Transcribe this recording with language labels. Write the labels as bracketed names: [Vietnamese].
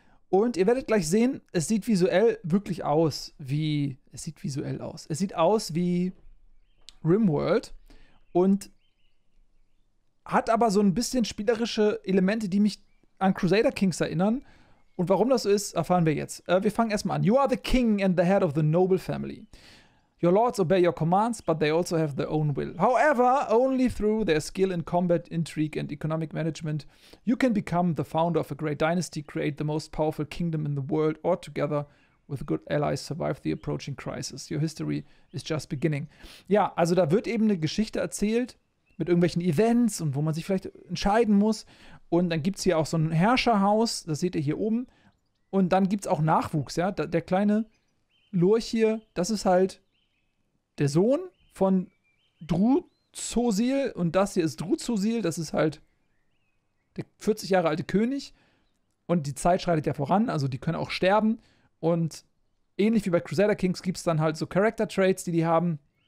[German] Und ihr werdet gleich sehen, es sieht visuell wirklich aus wie... Es sieht visuell aus. Es sieht aus wie RimWorld und hat aber so ein bisschen spielerische Elemente, die mich an Crusader Kings erinnern. Und warum das so ist, erfahren wir jetzt. Wir fangen erstmal an. [English] You are the king and the head of the noble family. Your lords obey your commands, but they also have their own will. However, only through their skill in combat, intrigue and economic management, you can become the founder of a great dynasty, create the most powerful kingdom in the world, or together with good allies survive the approaching crisis. Your history is just beginning. [German] Ja, also da wird eben eine Geschichte erzählt mit irgendwelchen Events und wo man sich vielleicht entscheiden muss. Und dann gibt es hier auch so ein Herrscherhaus, das seht ihr hier oben. Und dann gibt es auch Nachwuchs, ja. Der kleine Lurch hier, das ist halt der Sohn von Druzhosil und das hier ist Druzhosil, das ist halt der 40 Jahre alte König und die Zeit schreitet ja voran, also die können auch sterben und ähnlich wie bei Crusader Kings gibt es dann halt so Character Traits, die die haben.